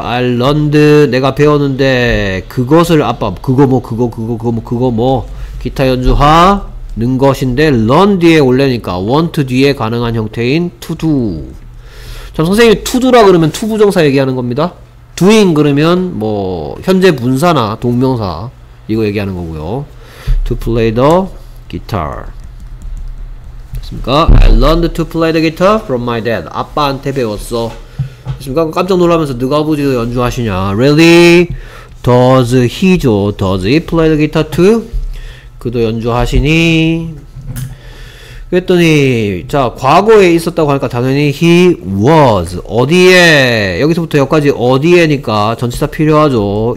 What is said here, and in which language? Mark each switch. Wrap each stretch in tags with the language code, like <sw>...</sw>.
<en>I learned</en> <ko>내가 배웠는데 그것을 아빠 그거 뭐 기타 연주하 는 것인데 learn 뒤에 올래니까 want 뒤에 가능한 형태인 to do. 자, 선생님이 to do라 그러면 to 부정사 얘기하는 겁니다. doing 그러면 뭐 현재 분사나 동명사 이거 얘기하는 거고요.</ko> <en>to play the guitar</en> <ko>됐습니까?</ko> <en>I learned to play the guitar from my dad.</en> <ko>아빠한테 배웠어. 됐습니까? 깜짝 놀라면서 누가 아버지도 연주하시냐.</ko> <en>really? does he죠? does he play the guitar too?</en> <ko>그도 연주하시니 그랬더니 자 과거에 있었다고 하니까 당연히 he was 어디에 여기서부터 여기까지 어디에니까 전치사 필요하죠.</ko>